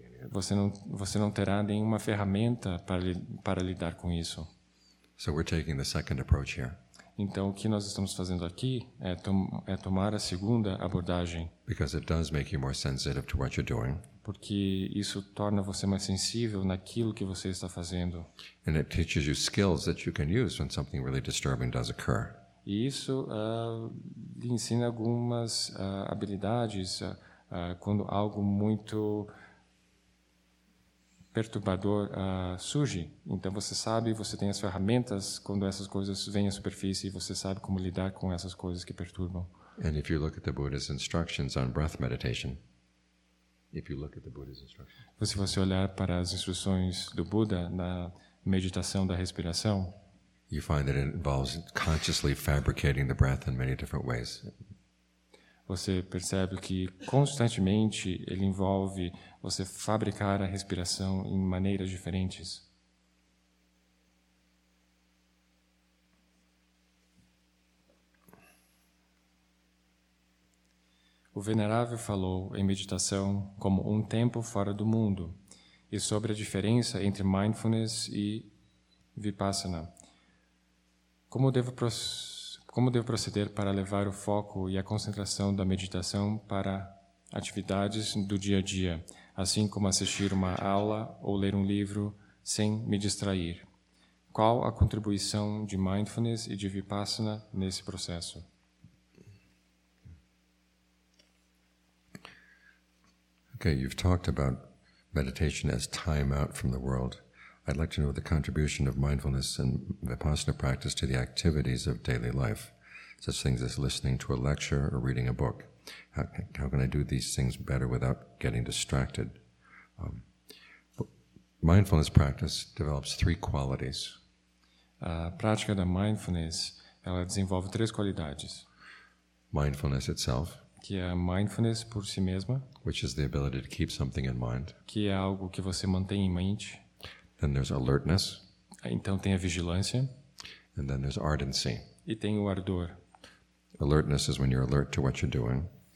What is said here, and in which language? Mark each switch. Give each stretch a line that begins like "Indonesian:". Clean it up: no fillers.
Portuguese: Você não terá nenhuma ferramenta para lidar com isso.
English: So we're taking the second approach here.
Portuguese: Então o que nós estamos fazendo aqui é tomar a segunda abordagem.
English: Because it does make you more sensitive to what you're doing.
Portuguese: Porque isso torna você mais sensível naquilo que você está fazendo.
English: And it teaches you skills that you can use when something really disturbing does occur.
Portuguese: E isso lhe ensina algumas habilidades quando algo muito perturbador surge. Então você sabe, você tem as ferramentas quando essas coisas vêm à superfície e você sabe como lidar com essas coisas que perturbam.
English: And if you look at the Buddha's instructions on breath meditation, if you look at the Buddha's instructions,
Portuguese: se você olhar para as instruções do Buda na meditação da respiração,
English: you find that it involves consciously fabricating the breath in many different ways.
Portuguese: Você percebe que constantemente ele envolve você fabricar a respiração em maneiras diferentes. O Venerável falou em meditação como um tempo fora do mundo e sobre a diferença entre mindfulness e Vipassana. Como devo proceder para levar o foco e a concentração da meditação para atividades do dia a dia, assim como assistir uma aula ou ler um livro sem me distrair? Qual a contribuição de mindfulness e de vipassana nesse processo?
English: Okay, you've talked about meditation as time out from the world. I'd like to know the contribution of mindfulness and vipassana practice to the activities of daily life, such things as listening to a lecture or reading a book. How can I do these things better without getting distracted? Mindfulness practice develops three qualities.
Portuguese: A prática da mindfulness, ela desenvolve três qualidades.
English: Mindfulness itself.
Portuguese: Que é a mindfulness por si mesma.
English: Which is the ability to keep something in mind.
Portuguese: Que é algo que você mantém em mente.
English: Then there's alertness.
Portuguese: Então tem a vigilância.
English: And then there's ardency.
Portuguese: E tem o ardor.
English: Alertness is when you're alert to what you're doing.